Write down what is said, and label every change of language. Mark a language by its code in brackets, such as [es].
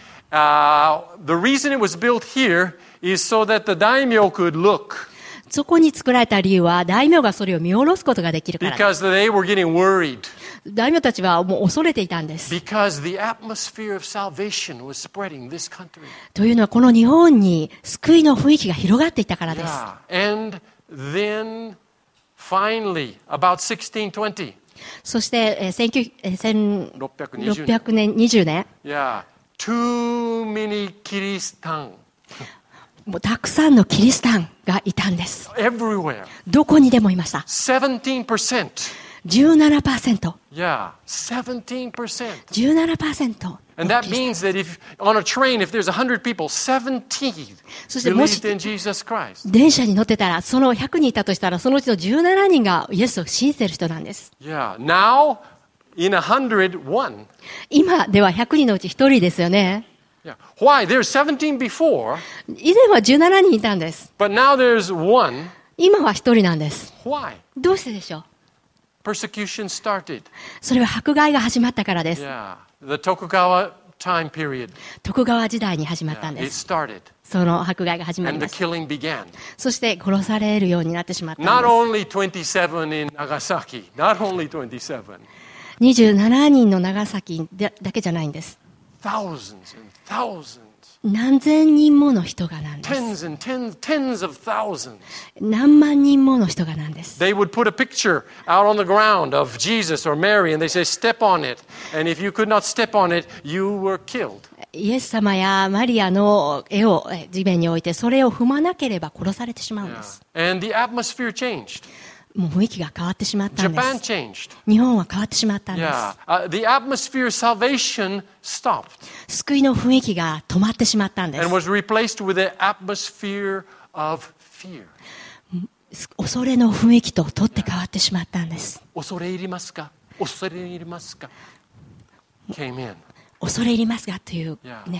[en] The reason it was built here is so that the daimyo could look. [ja] そこに作られた理由は大名がそれを見下ろすことができるからです。 [en] Because they were getting worried. [ja] 大名たちはもう恐れていたんです。 [en] Because the atmosphere of salvation was spreading this country. [ja] というのはこの日本に救いの雰囲気が広がっていたからです。 [en] Yeah. And then finally, about 1620. [ja] そして1620年。 [en] Yeah. Too many Kiristan. [ja] もうたくさんのキリシタンがいたんです。 [en] Everywhere. [ja] どこにでもいました。 [en] 17%。 [ja] 17%。 [en] Yeah. 17%。 [ja] 17%。 [en] And that means that if on a train, if there's 100 people, 17 believed in Jesus Christ. [ja] 電車に乗ってたら、その100人いたとしたら、そのうちの17人がイエスを信じてる人なんです。 [en] Yeah. Now, in 100, one. [ja] 今では100人のうち1人ですよね。 [en] Yeah. Why? There's 17 before. [ja] 以前は17人いたんです。 [en] But now there's one. [ja] 今は1人なんです。 [en] Why? [ja] どうしてでしょう？ [en] Persecution started. [ja] それは迫害が始まったからです。 [en] Yeah. The Tokugawa time period. [ja] 徳川時代に始まったんです。 [en] Yeah, it started. [ja] その迫害が始まりました。 [en] And the killing began. [ja] そして殺されるようになってしまったんです。 [en] Not only 27 in Nagasaki. Not only 27. [ja] 27人の長崎だけじゃないんです。 [en] Thousands and thousands. [ja] 何千人もの人がなんです。 [en] Tens and tens of thousands. [ja] 何万人もの人がなんです。 [en] They would put a picture out on the ground of Jesus or Mary and they say, step on it. And if you could not step on it, you were killed. [ja] イエス様やマリアの絵を地面に置いて、それを踏まなければ殺されてしまうんです。 [en] Yeah. And the atmosphere changed. [ja] もう雰囲気が変わってしまったんです。 [en] Japan changed. [ja] 日本は変わってしまったんです。 [en] The atmosphere of salvation stopped. [ja] 救いの雰囲気が止まってしまったんです。 [en] And was replaced with an atmosphere of fear. [ja] 恐れの雰囲気と取って変わってしまったんです。恐れ入りますか？恐れ入りますか？ [en] Came in. [ja] 恐れ入りますがという、ね、